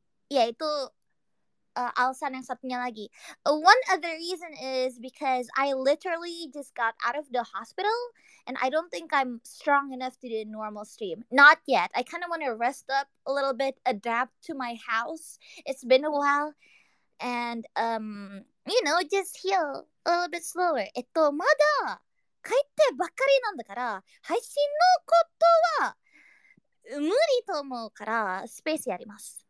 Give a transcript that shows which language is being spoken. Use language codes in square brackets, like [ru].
[id] Yaitu alasan yang satunya lagi. [en] One other reason is because I literally just got out of the hospital and I don't think I'm strong enough to do a normal stream. Not yet. I kind of want to rest up a little bit, adapt to my house. It's been a while. And, you know, just heal a little bit slower. [ja] まだ帰ってばっかりなんだから配信のことは無理と思うからスペースやります。